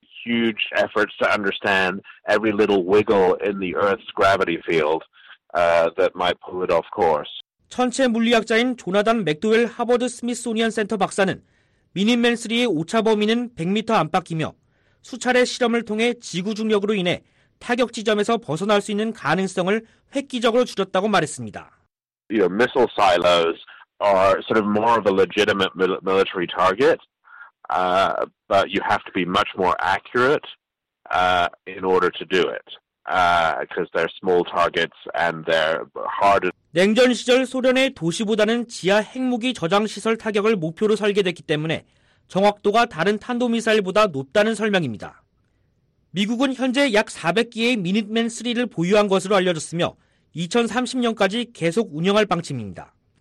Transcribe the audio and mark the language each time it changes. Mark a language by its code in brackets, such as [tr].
[en] Huge efforts to understand every little wiggle in the Earth's gravity field that might pull it off course. [ko] 천체 물리학자인 조나단 맥도웰 하버드 스미스소니안 센터 박사는 미니맨3의 오차 범위는 100m 안팎이며 수차례 실험을 통해 지구 중력으로 인해 타격 지점에서 벗어날 수 있는 가능성을 획기적으로 줄였다고 말했습니다. [en] You know, missile silos are sort of more of a legitimate military target, but you have to be much more accurate in order to do it, because they're small targets and they're harder. [ko] 냉전 시절 소련의 도시보다는 지하 핵무기 저장 시설 타격을 목표로 설계됐기 때문에 정확도가 다른 탄도 미사일보다 높다는 설명입니다. 미국은 현재 약 400기의 미니맨3를 보유한 것으로 알려졌으며 2030년까지 계속 운영할 방침입니다.